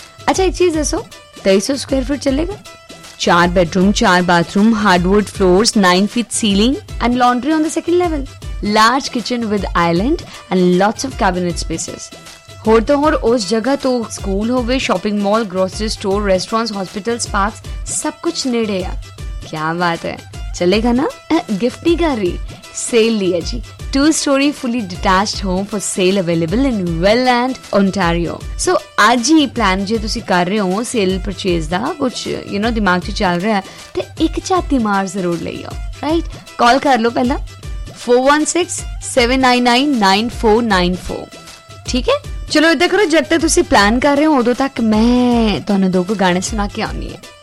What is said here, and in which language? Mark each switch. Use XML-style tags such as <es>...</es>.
<pa>ਅੱਛਾ, ਇੱਕ ਚੀਜ਼ ਦੱਸੋ,</pa> <en>2300 square feet</en> <pa>ਚੱਲੇਗਾ?</pa> <en>4 bedroom 4 bathroom, hardwood floors, 9 feet ceiling and laundry on the second level, large kitchen with island and lots of cabinet spaces.</en> <pa>ਹੋਰ ਤੋਂ ਹੋਰ ਉਸ ਜਗ੍ਹਾ ਤੋਂ ਸਕੂਲ ਹੋਵੇ, shopping mall, grocery store, restaurant, hospital, parks, ਸਭ ਕੁਛ ਨੇੜੇ ਆ। ਕਿਆ ਬਾਤ ਹੈ, ਚੱਲੇਗਾ ਨਾ? ਗਿਫਟ ਨਹੀਂ ਕਰ ਰਹੀ, ਸੇਲ ਲਈ ਹੈ ਜੀ।</pa> <en>2-story fully detached home for sale available in Welland, Ontario.</en> <pa>So, ਅੱਜ ਹੀ ਪਲਾਨ ਜੇ ਤੁਸੀਂ ਕਰ ਰਹੇ ਹੋ ਸੇਲ ਪਰਚੇਸ ਦਾ, ਕੁਛ</pa> <en>you know</en> <pa>ਦਿਮਾਗ 'ਚ ਚੱਲ ਰਿਹਾ, ਤੇ ਇੱਕ ਝਾਤੀ ਮਾਰ ਜ਼ਰੂਰ ਲਈ ਆਓ, ਰਾਈਟ? ਕਾਲ ਕਰ ਲਓ ਪਹਿਲਾਂ 4167999494, ਠੀਕ ਹੈ? ਚਲੋ ਇੱਦਾਂ ਕਰੋ, ਜਦ ਤੱਕ ਤੁਸੀਂ ਪਲਾਨ ਕਰ ਰਹੇ ਹੋ ਉਦੋਂ ਤੱਕ ਮੈਂ ਤੁਹਾਨੂੰ 2 ਗਾਣੇ ਸੁਣਾ ਕੇ ਆਉਂਦੀ ਹਾਂ।</pa>